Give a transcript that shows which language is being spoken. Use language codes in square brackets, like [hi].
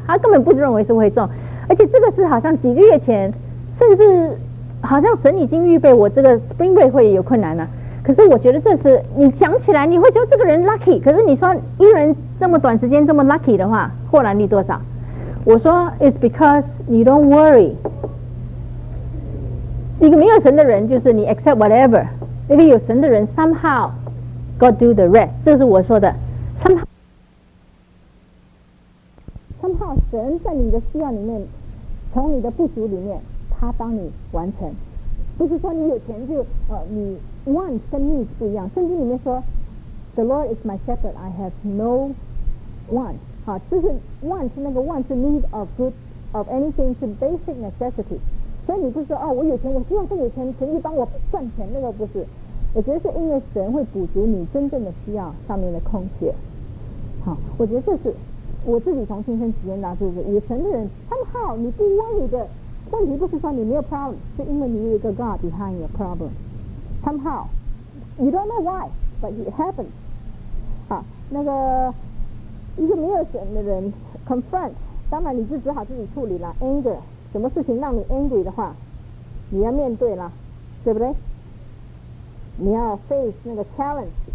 [zh] 他根本不认为是会中，而且这个是好像几个月前，甚至好像神已经预备我这个 spring break 会有困难了。可是我觉得这是你想起来你会觉得这个人 lucky， 可是你说一人这么短时间这么 lucky 的话，获然力多少？我说 [en] it's because you don't worry。 [zh] 一个没有神的人就是你 [en] accept whatever， [zh] 一个有神的人 [en] somehow God do the rest， [zh] 这是我说的 somehow 神在你的需要里面，从你的不足里面他帮你完成。不是说你有钱就你 want 跟 need 不一样。圣经里面说 [en] The Lord is my shepherd, I have no want。 [zh] 好，就是 want， 那个 want 是 [en] need of good of anything， [zh] 是 [en] basic necessity。 [zh] 所以你不是说我有钱，我希望更有钱，神就帮我赚钱，那个不是。我觉得是因为神会补足你真正的需要上面的空缺。好，我觉得这是我自己从亲身体验到，就是有神的人 somehow 你不忘你的问题，不是说你没有 problem， 是因为你有一个 [en] God behind your problem。 Somehow you don't know why but it happens。 [zh] 那个一个没有神的人 confront， 当然你就只好自己处理了。 anger， 什么事情让你 angry 的话你要面对了，对不对？你要 face 那个 challenge。